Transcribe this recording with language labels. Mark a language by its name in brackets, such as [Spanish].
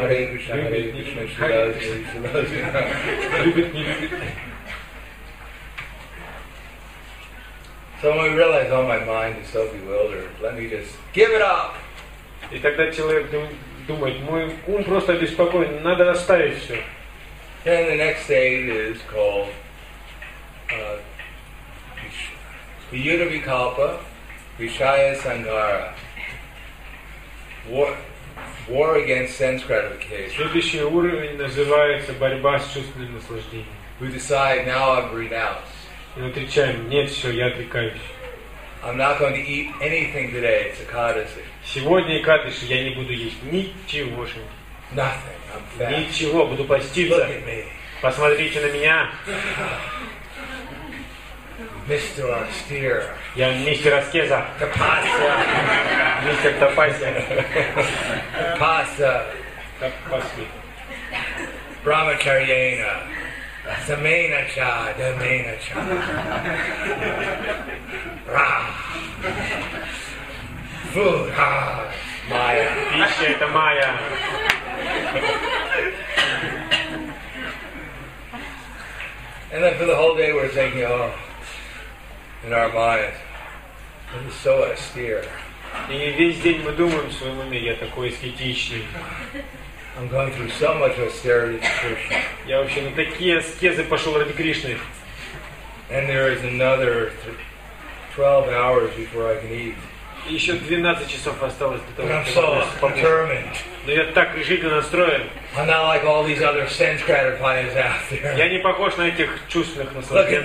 [English] Hare Krishna, Hare Krishna, she loves me, she loves me now. [Russian] Любит, не любит. [English] So when we realize, oh, my mind is so bewildered, let me just give it up. [Russian] И тогда человек думает, мой ум просто беспокоен, надо оставить все. [English] Then the next stage is called Yudhavikalpa, Vishaya Sangara. War against sense gratification. [Russian] Следующий уровень называется борьба с чувственным наслаждением. [English] We decide, now I've renounced. [Russian] И мы отвечаем, нет, все, я отрекаюсь. [English] I'm not going to eat anything today. It's Ekadasi. [Russian] Сегодня Экадыши, я не буду есть ничегошеньки. [English] Nothing. I'm fat. [Russian] Ничего, буду поститься. [English] Look at me. [Russian] Посмотрите на меня. [English] Mr. Austere. [Russian] Я мистер Аскеза. Тапаса. Мистер Тапаса. Тапаса. Тапаски. [Sanskrit] Брахмачарьяна. Заменача, даменача. [English] Food, Maya. [Russian] Пища это Maya. [English] And then for the whole day we're thinking, oh, in our mind, it is so austere. [Russian] И весь день мы думаем в своем уме, я такой аскетичный. [English] I'm going through so much austerity for Krishna. [Russian] Я вообще на такие аскезы пошел ради Кришны. [English] And there is another 12 hours before I can eat. [Russian] Еще 12 часов осталось до того, как [English] determined. [Russian] Но я так решительно настроен. [English] I'm not like all these other sense gratifiers out there. [Russian] Я не похож на этих чувственных наслаждений.